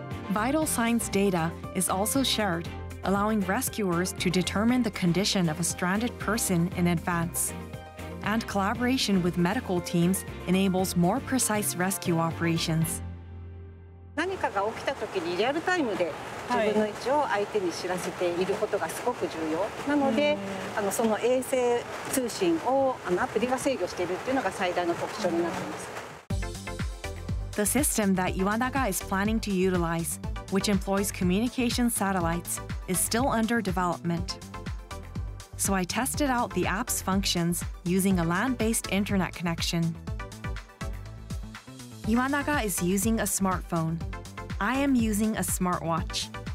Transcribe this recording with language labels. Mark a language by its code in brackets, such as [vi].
[en] Vital signs data is also shared, allowing rescuers to determine the condition of a stranded person in advance. And collaboration with medical teams enables more precise rescue operations. [ja] 何かが起きた時にリアルタイムで自分の位置を相手に知らせていることがすごく重要なので、その衛星通信をアプリが制御しているっていうのが最大の特徴になっています。 [en] The system that Iwanaga is planning to utilize, which employs communication satellites, is still under development. So I tested out the app's functions using a land-based internet connection. Iwanaga is using a smartphone. I am using a smartwatch.